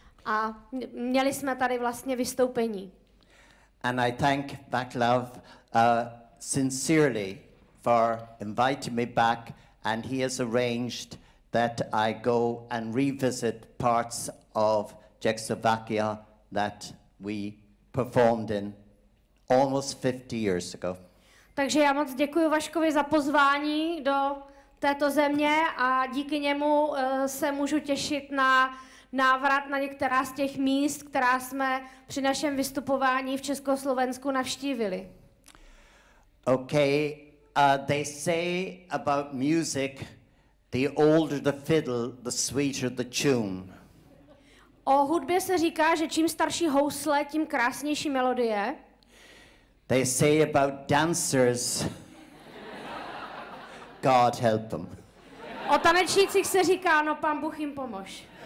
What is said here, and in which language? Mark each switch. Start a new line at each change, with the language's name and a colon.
Czech: A měli jsme tady vlastně vystoupení.
English: And I thank Václav sincerely for inviting me back, and he has arranged that I go and revisit parts of Czechoslovakia that we performed in almost 50 years ago.
Czech: Takže já moc děkuji Vaškovi za pozvání do této země a díky němu se můžu těšit na návrat na některá z těch míst, která jsme při našem vystupování v Československu navštívili.
English: Okay. They say about music, the older the fiddle, the sweeter the tune.
Czech: O hudbě se říká, že čím starší housle, tím krásnější melodie.
English: They say about dancers, God help them.
Czech: O tanečnících se říká, no pán Bůh jim pomož.